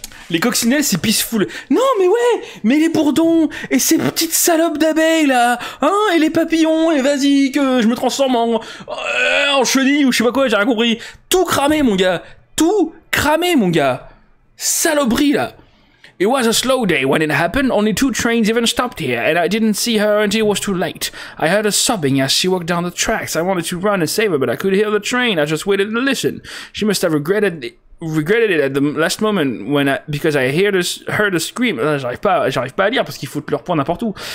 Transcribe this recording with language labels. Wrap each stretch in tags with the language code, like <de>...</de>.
<fr>Les coccinelles, c'est peaceful. Non, mais ouais, mais les bourdons, et ces petites salopes d'abeilles, là, hein, et les papillons, et vas-y, que je me transforme en chenille, ou je sais pas quoi, j'ai rien compris. Tout cramé, mon gars. Tout cramé, mon gars. Saloperie, là.</fr> <en>It was a slow day when it happened. Only two trains even stopped here, and I didn't see her until it was too late. I heard her sobbing as she walked down the tracks. I wanted to run and save her, but I couldn't hear the train. I just waited and listened. She must have regretted it at the last moment when I heard her scream.</en> <fr>J'arrive pas à lire parce qu'il fout leur point n'importe où.</fr>